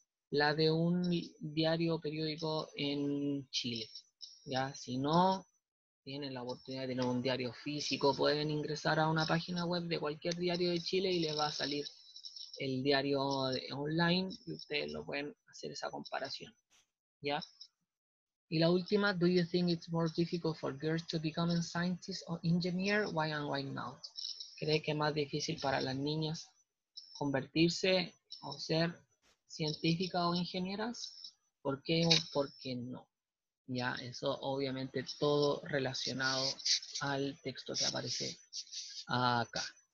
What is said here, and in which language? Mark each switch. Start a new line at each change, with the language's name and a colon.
Spanish: la de un diario o periódico en Chile, ya, si no tienen la oportunidad de tener un diario físico, pueden ingresar a una página web de cualquier diario de Chile y les va a salir el diario online y ustedes lo pueden hacer esa comparación. ¿Ya? Y la última,
English: do you think it's more difficult for girls to become a scientist or engineer? Why and why not?
Spanish: ¿Cree que es más difícil para las niñas convertirse o ser científicas o ingenieras? ¿Por qué o por qué no? Ya, eso obviamente todo relacionado al texto que aparece acá.